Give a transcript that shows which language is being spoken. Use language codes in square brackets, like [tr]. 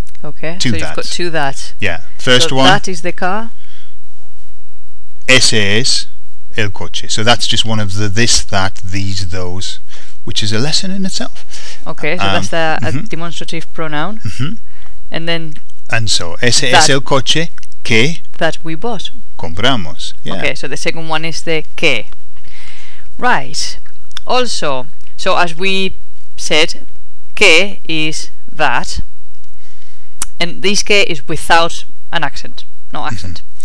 [en] Okay, two so that. You've got two that. Yeah, first so one... that is the car. [es] Ese es el coche. [en] So that's just one of the this, that, these, those, which is a lesson in itself. Okay, so that's the demonstrative pronoun. And then... [es] And so, ese es el coche que... [en] That we bought. [es] Compramos, yeah. [en] Okay, so the second one is the que. Right. Also, so as we said, que is that. And this que is without an accent. No accent.